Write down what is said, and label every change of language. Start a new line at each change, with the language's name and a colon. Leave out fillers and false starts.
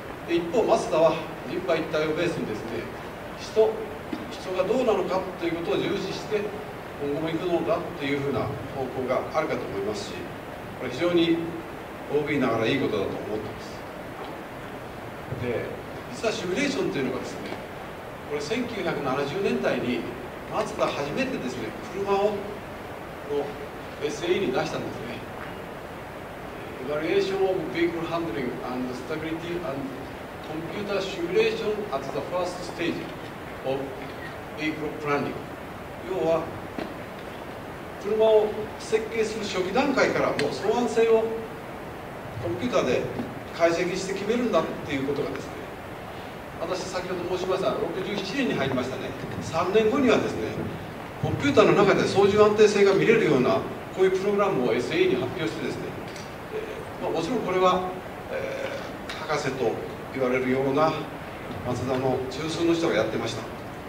Japanese: で、一方マツダは人馬一体をベースにですね、人がどうなのかということを重視して今後も行くのだというふうな方向があるかと思いますし、これ非常に OB ながらいいことだと思ってます。で、実はシミュレーションというのがですね、これ1970年代にマツダ初めてですね、車をの SAE に出したんですね。
English: Evaluation of Vehicle Handling and Stability and Computer Simulation at the First Stage of Vehicle Planning。
Japanese: 要は車を設計する初期段階からもう操案性をコンピューターで解析して決めるんだっていうことがですね、私先ほど申しました67年に入りましたね、3年後にはですねコンピューターの中で操縦安定性が見れるようなこういうプログラムを SAE に発表してですね、まあ、もちろんこれは、博士と言われるようなマツダの中枢の人がやってました。